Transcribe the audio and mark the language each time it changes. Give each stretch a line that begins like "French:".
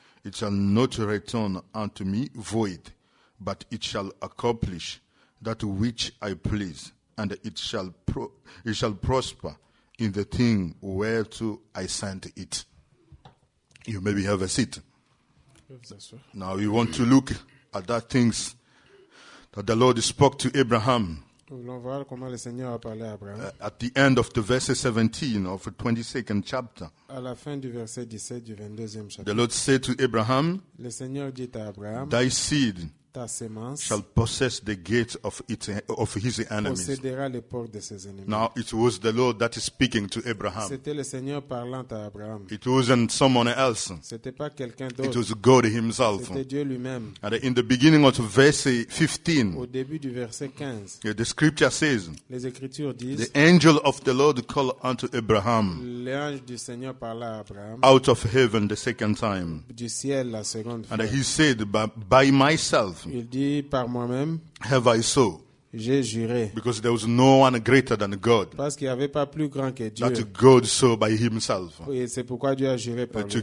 English: It shall not return unto me void, but it shall accomplish that which I please, and it shall prosper in the thing whereto I sent it." You maybe have a seat. Yes, sir. Now we want to look at that things that the Lord spoke to Abraham. At the end of the verse 17 of the 22nd chapter,
French: à la fin du verset 17 du 22e chapitre,
English: the Lord said to Abraham,
French: le Seigneur dit à Abraham,
English: "Thy seed,
French: ta semence,
English: shall possess the gate of his enemies."
French: Possédera les portes de ses ennemis.
English: Now it was the Lord that is speaking to Abraham.
French: C'était le Seigneur parlant à Abraham.
English: It wasn't someone else.
French: C'était pas quelqu'un d'autre.
English: It was God himself.
French: C'était Dieu lui-même.
English: And in the beginning of verse 15,
French: au début du verset 15,
English: the scripture says,
French: les Écritures disent,
English: the angel of the Lord called unto Abraham,
French: l'ange du Seigneur parla à Abraham,
English: out of heaven the second time,
French: du ciel la seconde fois.
English: And he said, by myself,
French: il dit, par moi-même,
English: have I so?
French: J'ai juré.
English: Because there was no one greater than God.
French: Parce qu'il n'y avait pas plus grand que Dieu.
English: That God saw by himself.
French: Et c'est pourquoi Dieu a juré par lui-même.